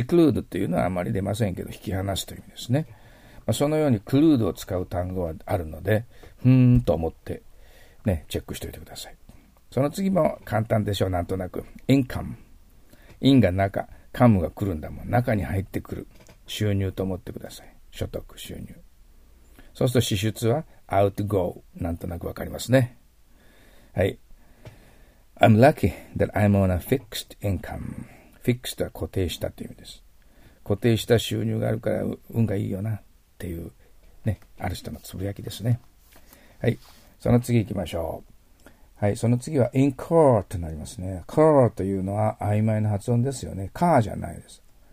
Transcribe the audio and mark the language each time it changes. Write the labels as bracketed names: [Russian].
[Japanese] seclude というのはあまり出ませんけど、引き離すという意味ですね。まあ、そのように clude を使う単語はあるので、ふーんと思って、ね、チェックしておいてください。その次も簡単でしょう、なんとなく。インカム。インが中、カムが来るんだもん。中に入ってくる。収入と思ってください。所得、収入。そうすると支出は、アウトゴー。なんとなくわかりますね。はい。 [English] I'm lucky that I'm on a fixed income. [Japanese] Fixed は固定したという意味です。固定した収入があるから運がいいよなっていう、ね、ある人のつぶやきですね。はい。その次行きましょう。はい。その次は incur となりますね。 cur というのは曖昧な発音ですよね。car じゃないです。